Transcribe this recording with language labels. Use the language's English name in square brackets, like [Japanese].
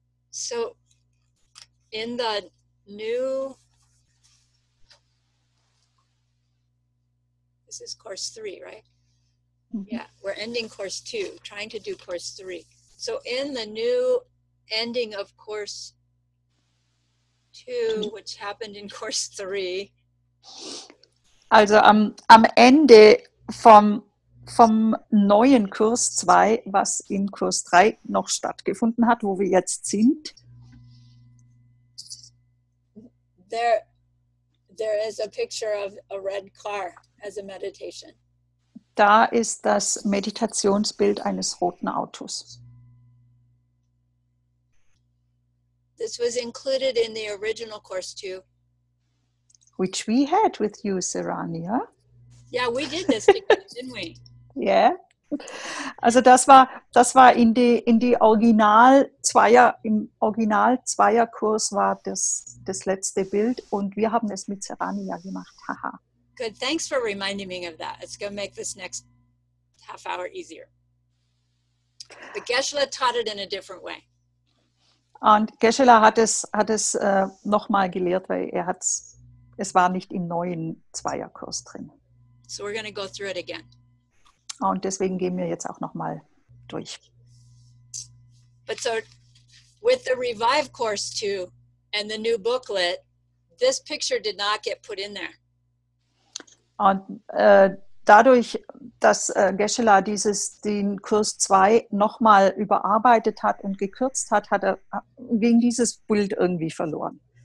[English] So, in the new, this is course three, right? Mm-hmm. Yeah, we're ending course two, trying to do course three. So in the new ending of course two, which happened in course three. [German] Also am Ende vom neuen Kurs 2, was in Kurs 3 noch stattgefunden hat, wo wir jetzt sind. [English] There is a picture of a red car as a meditation. [German] Da ist das Meditationsbild eines roten Autos. [English] This was included in the original course 2. Which we had with you, Sarania. Yeah, we did this together, didn't we? Yeah. [German] Also das war in die Original Zweierkurs war das letzte Bild und wir haben es mit Sarania gemacht. Haha. [English] Good. Thanks for reminding me of that. It's going to make this next half hour easier. But Geshe-la taught it in a different way. [German] Und Geshe-la hat es nochmal gelehrt, weil es war nicht im neuen Zweierkurs drin. [English] So we're going to go through it again. [German] Und deswegen gehen wir jetzt auch nochmal durch. [English] But so with the Revive Course 2 and the new booklet, this picture did not get put in there. [German] Und dadurch, dass Geshe-la den Kurs 2 nochmal überarbeitet hat und gekürzt hat, ging dieses Bild irgendwie verloren.